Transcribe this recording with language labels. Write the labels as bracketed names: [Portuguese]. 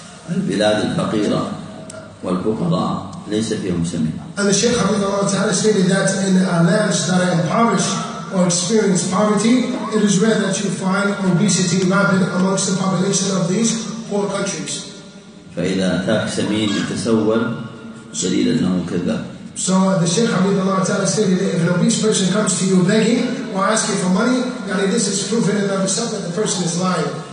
[Arabic] البلاد الفقيرة والفقراء ليس فيهم سمع. [English] And the Shaykh Hafidhahu Allah Ta'ala stated that in lands that are impoverished or experience poverty, it is rare that you find obesity rampant amongst the population of these poor countries. [Arabic] فإذا أتاك سمين يتسول دليل أنه كذاب. [English] So the Shaykh Hafidhahu Allah Ta'ala stated that if an obese person comes to you begging or asking for money, يعني this is proof in and of itself that the person is lying.